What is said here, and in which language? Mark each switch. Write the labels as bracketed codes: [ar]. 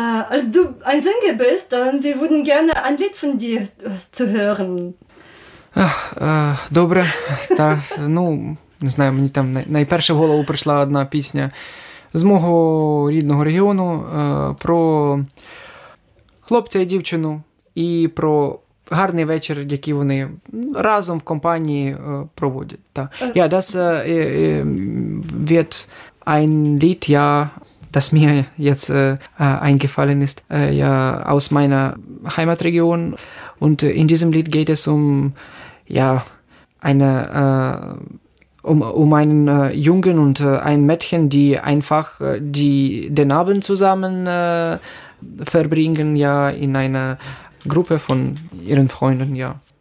[de] Als du ein Sänger bist, dann wir würden gerne ein Lied von dir zu hören. [uk] Добре. Так, ну, не знаю, мені там найперше в голову прийшла одна пісня з мого рідного регіону, про хлопця і дівчину, і про гарний вечір, який вони разом в компанії проводять. Так. [de] Ja, das wird ein Lied, ja, das mir jetzt eingefallen ist, ja, aus meiner Heimatregion. Und in diesem Lied geht es um, ja, eine um einen Jungen und ein Mädchen, die einfach den Abend zusammen verbringen, ja, in einer Gruppe von ihren Freunden, ja.